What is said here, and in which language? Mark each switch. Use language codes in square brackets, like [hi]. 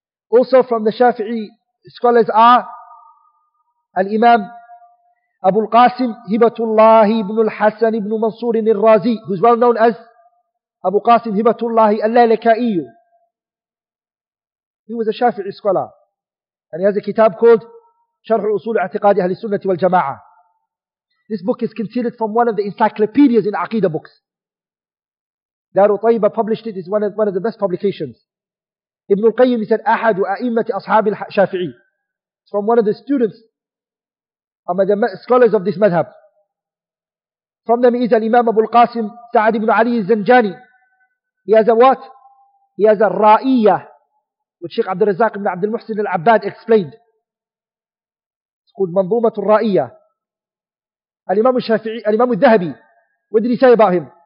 [en] Also from the Shafi'i scholars are الإمام أبو القاسم هبة الله ابن الحسن ابن منصور الرازي, who's well known as أبو قاسم هبة الله اللالكائي. He was a Shafi'i scholar. And he has a kitab called [ar] شرح أصول اعتقاد أهل السنة والجماعة. [en] This book is considered from one of the encyclopedias in Aqidah books. دار طيبة published it. It's one of the best publications. [ar] ابن القيم [en] said [ar] أحد أئمة أصحاب الشافعي. [en] It's from one of the students, among the scholars of this madhab. From them is Imam Abu al-Qasim Sa'ad ibn Ali al-Zanjani. He has a what? He has a ra'iyya, which Sheikh Abdul Razak ibn Abdul Muhsin al-Abbad explained. It's called Manzumat al-Ra'iyya. Al-Imam al-Shafi'i, Al-Imam al-Dhahabi. What did he say about him?